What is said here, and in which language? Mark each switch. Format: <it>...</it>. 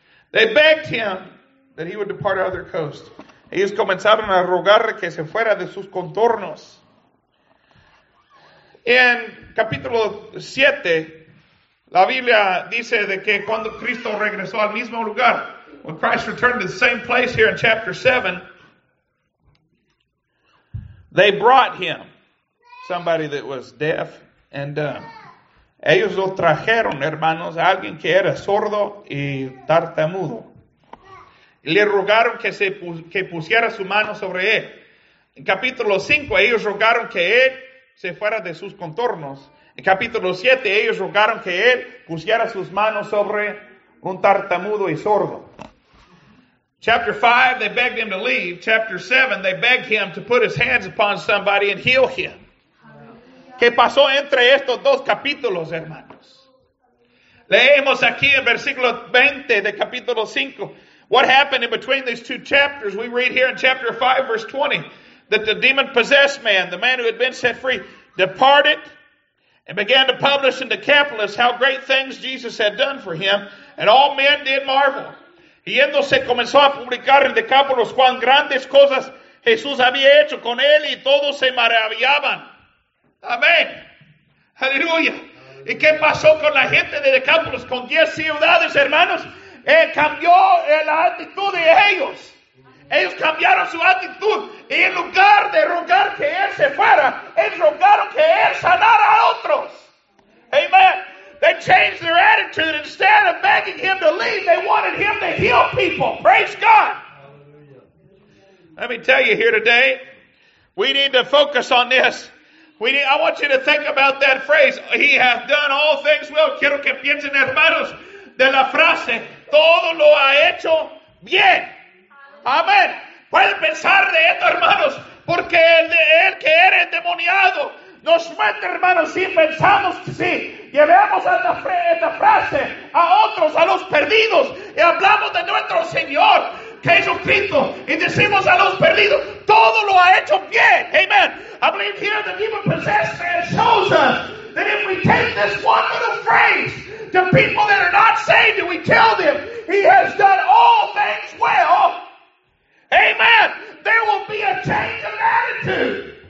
<en>They begged him that he would depart out of their coast.</en> <es>Ellos comenzaron a rogar que se fuera de sus contornos. En capítulo 7, la Biblia dice de que cuando Cristo regresó al mismo lugar,</es> <en>when Christ returned to the same place here in chapter 7, they brought him, somebody that was deaf and dumb.</en> <es>Ellos lo trajeron, hermanos, a alguien que era sordo y tartamudo. Le rogaron que pusiera su mano sobre él. En capítulo 5, ellos rogaron que él se fuera de sus contornos. En capítulo 7, ellos rogaron que él pusiera sus manos sobre un tartamudo y sordo.</es> <en>Chapter 5, they begged him to leave. Chapter 7, they begged him to put his hands upon somebody and heal him.</en> <es>¿Qué pasó entre estos dos capítulos, hermanos? Leemos aquí en versículo 20 de capítulo 5.</es> <en>What happened in between these two chapters? We read here in chapter 5, verse 20, that the demon-possessed man, the man who had been set free, departed and began to publish in Decapolis how great things Jesus had done for him, and all men did marvel.</en> <es>Yéndose comenzó a publicar en Decapolis cuán grandes cosas Jesús había hecho con él, y todos se maravillaban. Amén. Aleluya. ¿Y qué pasó con la gente de Decapolis, con 10 ciudades, hermanos? Cambió la actitud de ellos. Ellos cambiaron su actitud. Y en lugar de rogar que él se fuera, ellos rogaron que él sanara a otros.</es> <en>Amen. They changed their attitude. Instead of begging him to leave, they wanted him to heal people. Praise God. Let me tell you here today, we need to focus on this. I want you to think about that phrase. He hath done all things well.</en> <es>Quiero que piensen, hermanos, de la frase. Todo lo ha hecho bien. Amén. Pueden pensar de esto, hermanos, porque el que era endemoniado nos muestra, hermanos, si pensamos que sí, llevemos esta frase a otros, a los perdidos, y hablamos de nuestro Señor, que es Jesucristo, y decimos a los perdidos, todo. todo lo ha hecho bien.</es> <en>Amen. I believe here the demon-possessed man shows us that if we take this one little phrase to people that are not saved and we tell them he has done all things well, amen, there will be a change of attitude.</en>